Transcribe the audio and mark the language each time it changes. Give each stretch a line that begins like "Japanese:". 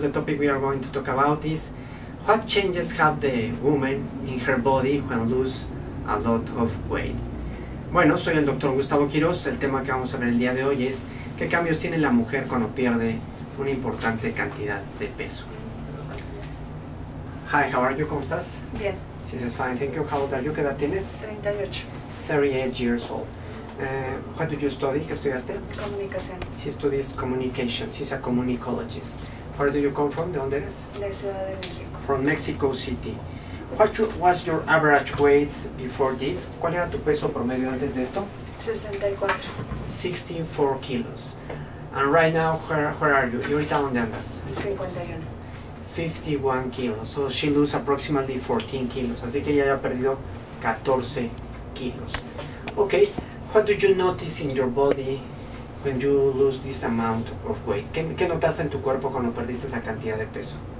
English: The topic we are going to talk about is what changes have the woman in her body when lose a lot of weight.
Spanish: Bueno, soy el Dr. Gustavo Quiroz. El tema que vamos a ver el día de hoy es qué cambios tiene la mujer cuando pierde una importante cantidad de peso.
English: Hi, how are you?
Spanish: ¿Cómo estás? Bien.
English: She's fine, thank you. How old are you?
Spanish: ¿Qué edad tienes? 38.
English: 38 years old. What did you study?
Spanish: ¿Qué estudiaste? Comunicación.
English: She studies communication. She's a communicologist. Where do you come from?
Spanish: ¿De dónde eres? De Ciudad de México.
English: From Mexico City. What was your average weight before this?
Spanish: ¿Cuál era tu peso promedio antes de esto? 64.
English: 64 kilos. And right now, where are you?
Spanish: ¿Y ahorita dónde andas? 51.
English: 51 kilos. So she lose approximately 14 kilos.
Spanish: Así que ella ya ha perdido 14 kilos. Okay.
English: What do you notice in your body when you lose this amount of weight?
Spanish: ¿Qué notaste en tu cuerpo cuando perdiste esa cantidad de peso?